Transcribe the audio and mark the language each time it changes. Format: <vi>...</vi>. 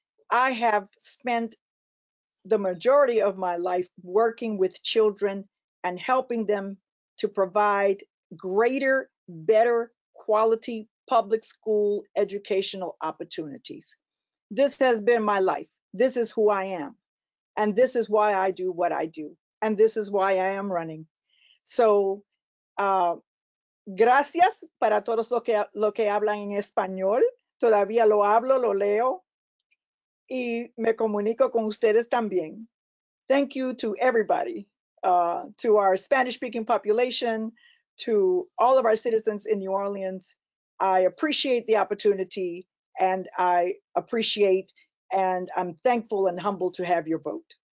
<en>I have spent the majority of my life working with children and helping them to provide greater, better quality public school educational opportunities. This has been my life. This is who I am. And this is why I do what I do. And this is why I am running.</en> <es>So, gracias para todos los que hablan en español. Todavía lo hablo, lo leo, y me comunico con ustedes también.</es> <en>Thank you to everybody, to our Spanish-speaking population, to all of our citizens in New Orleans. I appreciate the opportunity, and I appreciate, and I'm thankful and humbled to have your vote.</en>